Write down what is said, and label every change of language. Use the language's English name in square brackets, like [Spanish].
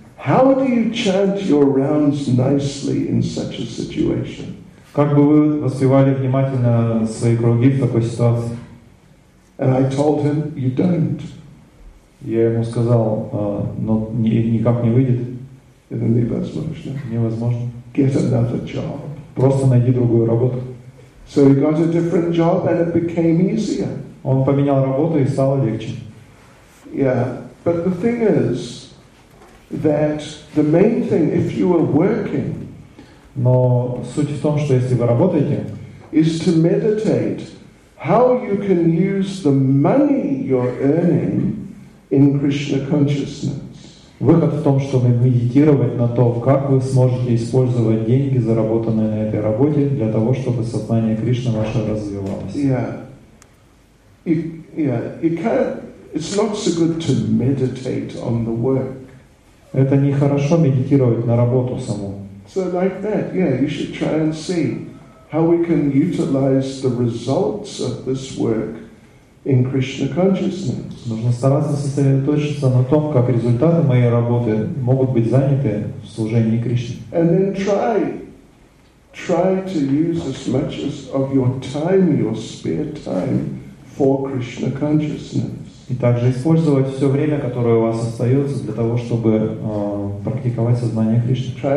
[English] How do you chant your rounds nicely in such a situation? [Russian] Как бы вы развивали внимательно свои круги в такой ситуации? [English] And I told him, you don't. [Russian] Я ему сказал, но никак не выйдет. Это невозможно. Невозможно. [English] Get another job. [Russian] Просто найди другую работу. [English] So he got a different job and it became easier. [Russian] Он поменял работу и стало легче. [English] Yeah, but the thing is that the main thing, if you are working, [Russian] но суть в том, что если вы работаете, [English] is to meditate how you can use the money you're earning in Krishna consciousness. [Russian] Выход в том, чтобы медитировать на то, как вы сможете использовать деньги, заработанные на этой работе, для того, чтобы сознание Кришны ваше развивалось. [English] It's not so good to meditate on the work. [Russian] Это не хорошо медитировать на работу саму. [English] So like that, yeah, you should try and see how we can utilize the results of this work in Krishna consciousness. [Russian] Нужно стараться сосредоточиться на том, как результаты моей работы могут быть заняты в служении Кришне. [English] And then try to use as much as of your time, your spare time, for Krishna consciousness. [Russian] И также использовать все время, которое у вас остается, для того, чтобы практиковать сознание Кришны.